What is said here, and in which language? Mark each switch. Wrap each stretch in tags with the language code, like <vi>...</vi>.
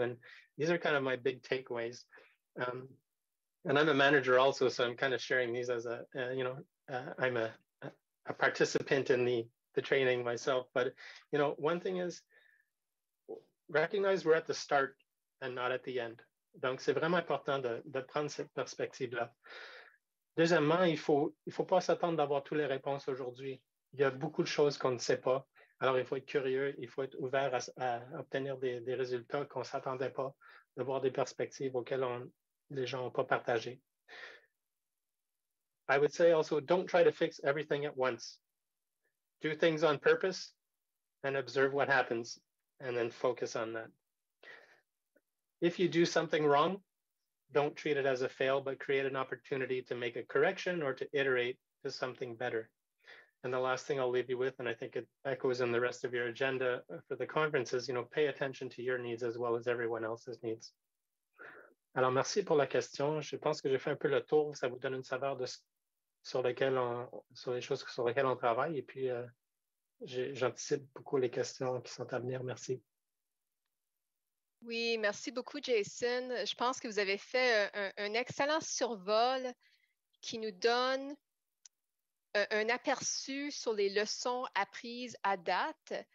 <en>And these are kind of my big takeaways. And I'm a manager also, so I'm kind of sharing these as I'm a participant in the training myself. But, you know, one thing is recognize we're at the start and not at the end.</en> <fr>Donc, c'est vraiment important de prendre cette perspective-là. Deuxièmement, il faut pas s'attendre d'avoir toutes les réponses aujourd'hui. Il y a beaucoup de choses qu'on ne sait pas. Alors, il faut être curieux, il faut être ouvert à obtenir des résultats qu'on s'attendait pas, d'avoir des perspectives auxquelles les gens n'ont pas partagé.</fr> <en>I would say also, don't try to fix everything at once. Do things on purpose and observe what happens and then focus on that. If you do something wrong, don't treat it as a fail, but create an opportunity to make a correction or to iterate to something better. And the last thing I'll leave you with, and I think it echoes in the rest of your agenda for the conference, is, you know, pay attention to your needs as well as everyone else's needs.</en> <fr>Alors, merci pour la question. Je pense que j'ai fait un peu le tour. Ça vous donne une saveur sur les choses sur lesquelles on travaille. Et puis, j'anticipe beaucoup les questions qui sont à venir. Merci. Oui, merci beaucoup, Jason. Je pense que vous avez fait un excellent survol qui nous donne un aperçu sur les leçons apprises à date.</fr>